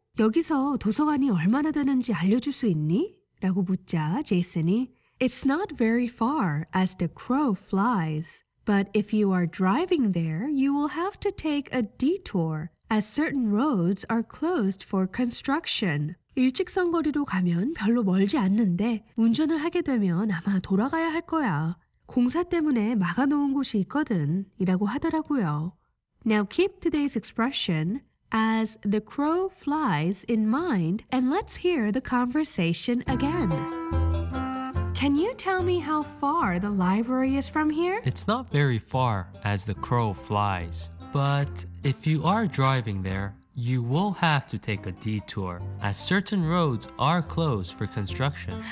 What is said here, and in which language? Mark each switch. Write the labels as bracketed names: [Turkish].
[Korean] 여기서 도서관이 얼마나 되는지 알려줄 수 있니? 라고 묻자 제이슨이 [English] It's not very far as the crow flies, but if you are driving there, you will have to take a detour as certain roads are closed for construction. [Korean] 일직선 거리로 가면 별로 멀지 않는데 운전을 하게 되면 아마 돌아가야 할 거야. 공사 때문에 막아놓은 곳이 있거든, 이라고 하더라고요. [English] Now keep today's expression, as the crow flies, in mind, and let's hear the conversation again. Can you tell me how far the library is from here? It's not very far, as the crow flies. But if you are driving there, you will have to take a detour, as certain roads are closed for construction.